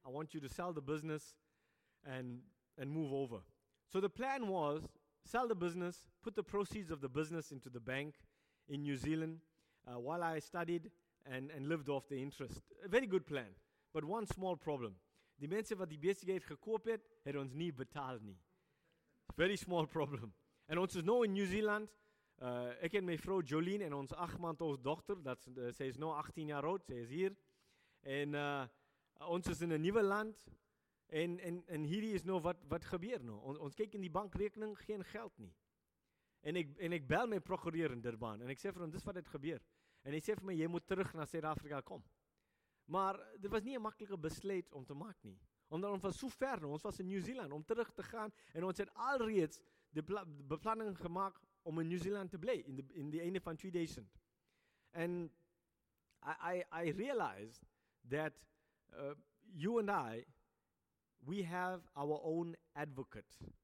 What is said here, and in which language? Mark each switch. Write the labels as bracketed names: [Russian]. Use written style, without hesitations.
[English] I want you to sell the business and move over. So the plan was, sell the business, put the proceeds of the business into the bank in New Zealand while I studied and lived off the interest. A very good plan, but one small problem. [Afrikaans] Die mense wat die besigheid gekoop het, het ons nie betaal nie. [English] Very small problem. And [Afrikaans] ons is nou in New Zealand. Ek en my vrou Jolien en ons 8 maand [English] old [Afrikaans] dochter, sy is nou 18 jaar oud, sy is hier. En ons is in 'n nuwe land. En hierdie is nou wat gebeur nou. Ons kyk in die bankrekening, geen geld nie. En ek bel my prokureur in Durban en ek sê vir hom, dis wat het gebeur. En hy sê vir my, jy moet terug na Suid-Afrika kom. Maar dit was nie 'n maklike besluit om te maak nie. Omdat ons was so ver, ons was in New Zealand, om terug te gaan. En ons het alreeds die beplanning gemaak om in New Zealand te bly, in die einde van 2000. En [English] I realized that you and I, we have our own advocate.